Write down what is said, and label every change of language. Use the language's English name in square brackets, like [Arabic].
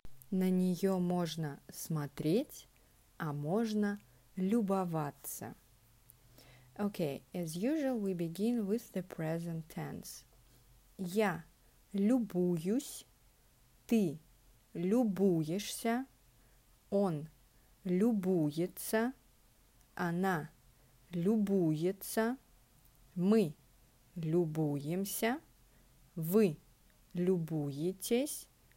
[Russian] На нее можно смотреть, а можно любоваться. [English] Okay, as usual, we begin with the present tense. [Russian] Я любуюсь, ты любуешься, он любуется, она любуется, мы любуемся, вы любуетесь.